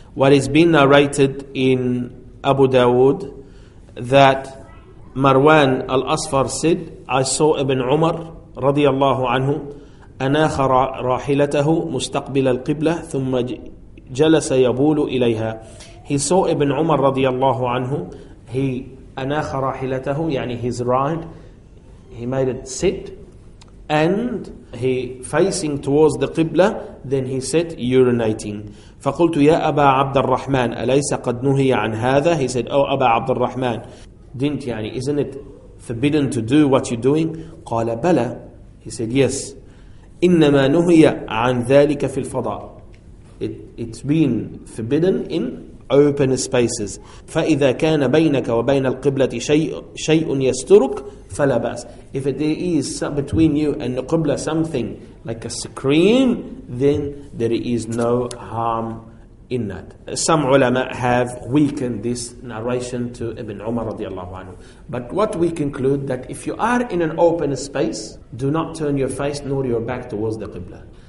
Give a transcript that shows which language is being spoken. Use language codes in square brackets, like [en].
[en] What is being narrated in Abu Dawood, that Marwan al-Asfar said, I saw Ibn Umar radiallahu anhu, anakha rahilatahu mustaqbil al-qibla, thumma [ar] جلس يبول إليها. [en] He saw Ibn Umar رضي الله عنه. He [ar] أناخ راحلته, [en] يعني his ride. He made it sit, and he facing towards the قبلة. Then he sat urinating. [ar] فقلت يا أبا عبد الرحمن أليس قد نهي عن هذا. [en] He said, Oh أبا عبد الرحمن, didn't يعني, isn't it forbidden to do what you're doing? [ar] قال بلى. [en] He said, Yes. [ar] إنما نهي عن ذلك في الفضاء. [en] It's been forbidden in open spaces. [ar] فإذا كان بينك وبين القبلة شيء يسترك فلا بأس. [en] If there is between you and the قبلة something like a screen, then there is no harm in that. Some ulama have weakened this narration to Ibn Umar رضي الله عنه. But what we conclude that if you are in an open space, do not turn your face nor your back towards the قبلة.